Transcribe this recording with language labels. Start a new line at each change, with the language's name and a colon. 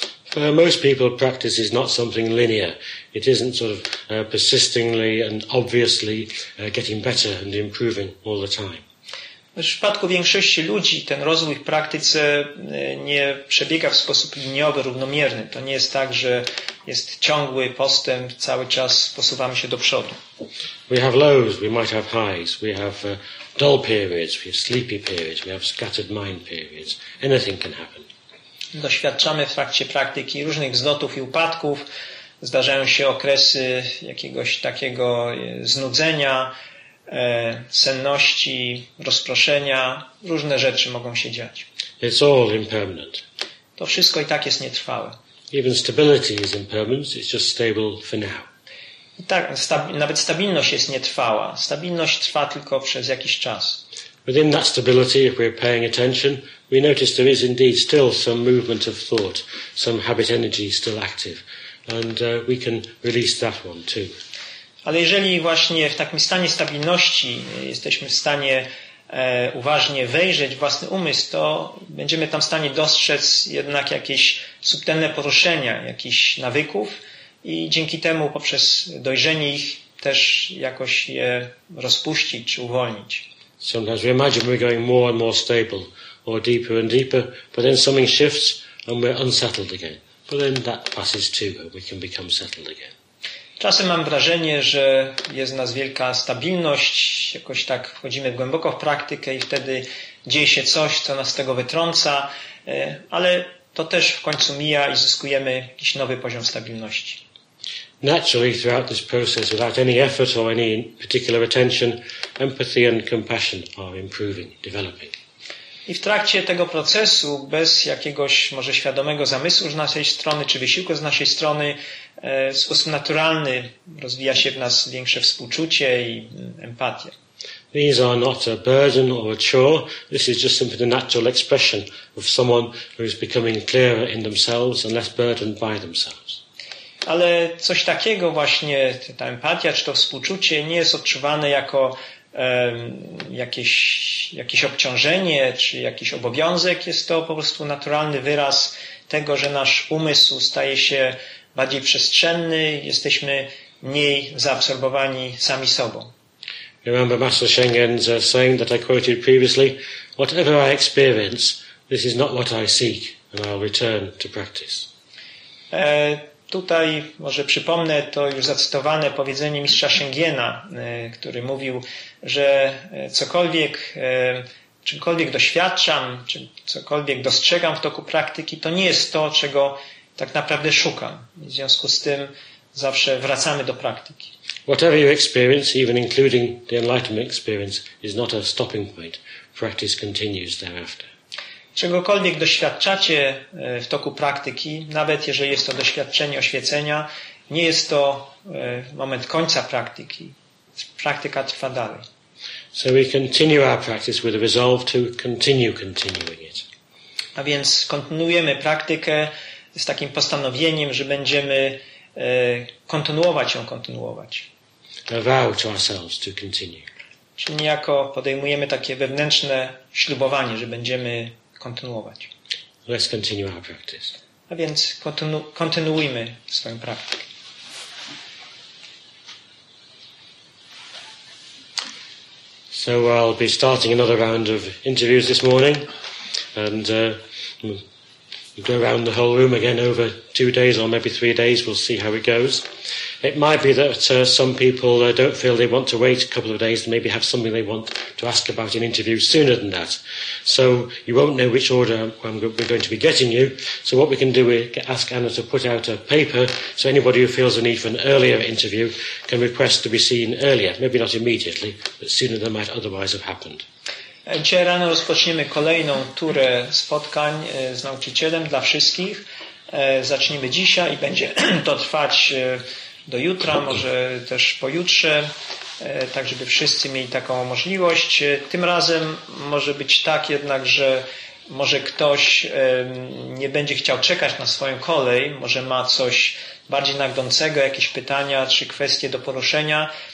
English: For most people, practice is not something linear. It isn't sort of persistently and obviously getting better and improving all the time.
Polish: W przypadku większości ludzi ten rozwój w praktyce nie przebiega w sposób liniowy, równomierny. To nie jest tak, że jest ciągły postęp, cały czas posuwamy się do przodu.
English: We have lows, we might have highs, we have dull periods, we have sleepy periods, we have scattered mind periods. Anything can happen.
Polish: Doświadczamy w trakcie praktyki różnych wzlotów i upadków. Zdarzają się okresy jakiegoś takiego znudzenia, senności, rozproszenia. Różne rzeczy mogą się dziać.
English: It's all impermanent.
Polish: To wszystko i tak jest nietrwałe.
English: Even stability is impermanent, it's just stable for now.
Polish: I tak, nawet stabilność jest nietrwała. Stabilność trwa tylko przez jakiś czas.
English: Within that stability, if we're paying attention, we notice there is indeed still some movement of thought, some habit energy still active, and we can release that one too.
Polish: Ale jeżeli właśnie w takim stanie stabilności jesteśmy w stanie uważnie wejrzeć w własny umysł, to będziemy tam w stanie dostrzec jednak jakieś subtelne poruszenia, jakichś nawyków i dzięki temu poprzez dojrzenie ich też jakoś je rozpuścić czy uwolnić.
English: Sometimes we imagine we're going more and more stable or deeper and deeper, but then something shifts and we're unsettled again. But then that passes too and we can become settled again.
Polish: Czasem mam wrażenie, że jest w nas wielka stabilność, jakoś tak wchodzimy głęboko w praktykę i wtedy dzieje się coś, co nas z tego wytrąca, ale to też w końcu mija i zyskujemy jakiś nowy poziom stabilności.
English: Naturally, throughout this process, without any effort or any particular attention, empathy and compassion are improving, developing.
Polish: I w trakcie tego procesu, bez jakiegoś może świadomego zamysłu z naszej strony, czy wysiłku z naszej strony, w sposób naturalny rozwija się w nas większe współczucie i empatia.
English: These are not a burden or a chore. This is just simply the natural expression of someone who is becoming clearer in themselves and less burdened by themselves.
Polish: Ale coś takiego właśnie, ta empatia czy to współczucie nie jest odczuwane jako jakieś obciążenie czy jakiś obowiązek. Jest to po prostu naturalny wyraz tego, że nasz umysł staje się bardziej przestrzenny, jesteśmy mniej zaabsorbowani sami sobą.
English: Remember Master Shengen's saying that I quoted previously, whatever I experience, this is not what I seek, and I'll return to practice.
Polish: Tutaj może przypomnę to już zacytowane powiedzenie mistrza Shengena, który mówił, że cokolwiek, czymkolwiek doświadczam, czy cokolwiek dostrzegam w toku praktyki, to nie jest to, czego tak naprawdę szukam. W związku z tym zawsze wracamy do praktyki.
English: Whatever you experience, even including the enlightenment experience, is not a stopping point. Practice continues thereafter.
Polish: Czegokolwiek doświadczacie w toku praktyki, nawet jeżeli jest to doświadczenie oświecenia, nie jest to moment końca praktyki. Praktyka trwa dalej.
English: So we continue our practice with a resolve to continue continuing it.
Polish: A więc kontynuujemy praktykę z takim postanowieniem, że będziemy kontynuować ją.
English: A vow to ourselves to continue.
Polish: Czyli niejako podejmujemy takie wewnętrzne ślubowanie, że będziemy kontynuować.
English: Let's continue our practice.
Polish: A więc kontynuujmy swoją praktykę.
English: So I'll be starting another round of interviews this morning and go around the whole room again over 2 days or maybe 3 days, we'll see how it goes. It might be that some people don't feel they want to wait a couple of days and maybe have something they want to ask about in interviews sooner than that. So you won't know which order we're going to be getting you. So what we can do is ask Anna to put out a paper so anybody who feels a need for an earlier interview can request to be seen earlier, maybe not immediately, but sooner than might otherwise have happened.
Polish: Dzisiaj rano rozpoczniemy kolejną turę spotkań z nauczycielem dla wszystkich. Zaczniemy dzisiaj i będzie to trwać do jutra, może też pojutrze, tak żeby wszyscy mieli taką możliwość. Tym razem może być tak jednak, że może ktoś nie będzie chciał czekać na swoją kolej, może ma coś bardziej nagnącego, jakieś pytania czy kwestie do poruszenia.